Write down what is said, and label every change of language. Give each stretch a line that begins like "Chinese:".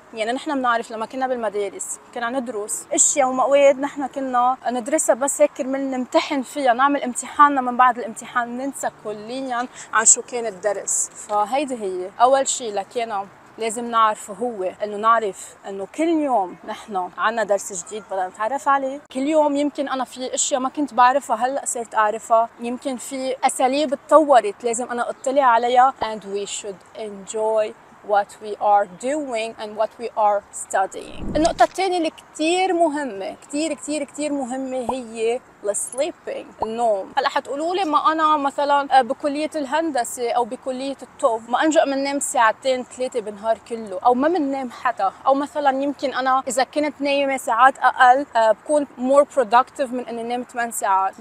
Arabic: يعني نحن بنعرف لما كنا بالمدارس كنا ندرس اشياء ومواد نحن كنا ندرسها بس هيك كرمال نمتحن فيها، نعمل امتحاننا، من بعد الامتحان ننسى كليا عن شو كان الدرس. فهيدي هي اول شيء لكينا لازم نعرفه، هو انه نعرف انه كل يوم نحن عنا درس جديد بدنا نتعرف عليه. كل يوم يمكن انا في اشياء ما كنت بعرفها هلا صرت اعرفها، يمكن في اساليب تطورت لازم انا اطلع عليها.
English: And we should enjoy what we are doing and what we are studying.
Arabic: النقطة الثانية اللي كتير مهمة، كتير كتير كتير مهمة، هي
English: sleeping،
Arabic: النوم. هلا حتقولوا لي ما انا مثلا بكلية الهندسة او بكلية الطب ما انجأ من نام ساعتين ثلاثة بنهار كله، او ما من نام حتى، او مثلا يمكن انا اذا كنت نايمة ساعات اقل بكون
English: more productive
Arabic: من اني نام 8 ساعات.